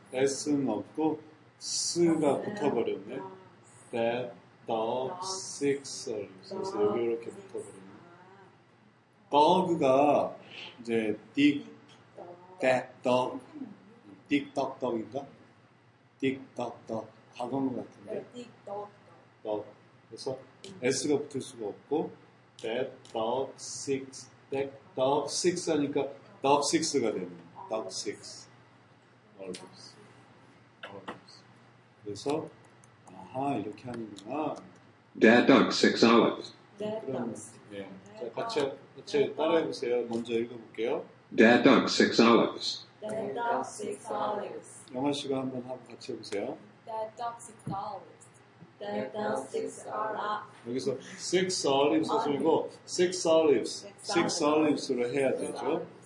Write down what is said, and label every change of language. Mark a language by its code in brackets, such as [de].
[ko] S는 없고 S가 붙어버렸네. [en] That, dogs, six olives. [ko] 그래서 여기 이렇게 붙어버렸네. [en] Dog가 [ko] 이제 [en] dig, that dog. Dig dog dog인가? [ko] Dig dog dog 과거인 것 같은데. [en] Dig dog dog. [ko] 그래서 S가 붙을 수가 없고 that dog six, that dog six 하니까 dog six가 되는. [en] Dog six. Always. Always. [ko] 그래서 아하 이렇게 하는구나. [en] That dog six always. That dog. 예. [ko] 같이 같이 따라해 보세요. 먼저 읽어볼게요. [en] That dog six always. That dog six olives. [ko] 영화 씨가 한번 같이 해보세요. [en] That dog six olives. That dog six olives. [ko] 여기서 six olives 하시고 six olives, six olives로 해야 되죠.